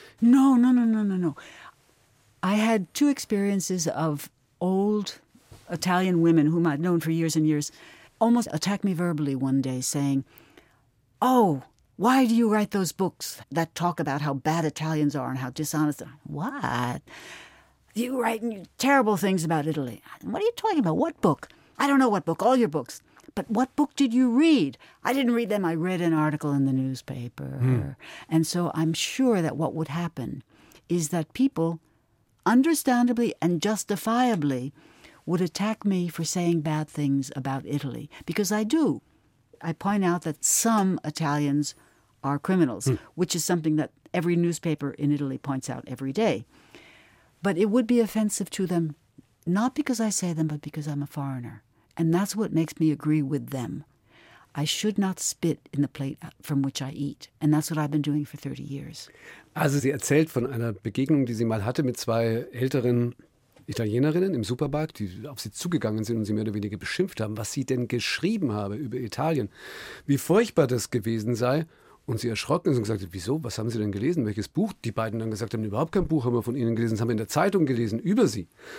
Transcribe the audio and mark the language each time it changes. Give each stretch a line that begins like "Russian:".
English: No. I had 2 experiences of old Italian women whom I'd known for years and years almost attacked me verbally one day, saying, oh, why do you write those books that talk about how bad Italians are and how dishonest? What? You write terrible things about Italy. What are you talking about? What book? I don't know what book. All your books. But what book did you read? I didn't read them. I read an article in the newspaper. And so I'm sure that what would happen is that people, understandably and justifiably, would attack me for saying bad things about Italy. Because I do. I point out that some Italians are criminals, which is something that every newspaper in Italy points out every day. But it would be offensive to them, not because I say them, but because I'm a foreigner. And that's what makes me agree with them. I should not spit in the plate from which I eat. And that's what I've been doing for 30 years.
German: Also sie erzählt von einer Begegnung, die sie mal hatte mit 2 älteren Italienerinnen im Supermarkt, die auf sie zugegangen sind und sie mehr oder weniger beschimpft haben, was sie denn geschrieben habe über Italien, wie furchtbar das gewesen sei. Und sie erschrocken ist und gesagt, wieso, was haben Sie denn gelesen, welches Buch? Die beiden dann gesagt haben, überhaupt kein Buch haben wir von Ihnen gelesen, das haben wir in der Zeitung gelesen über Sie.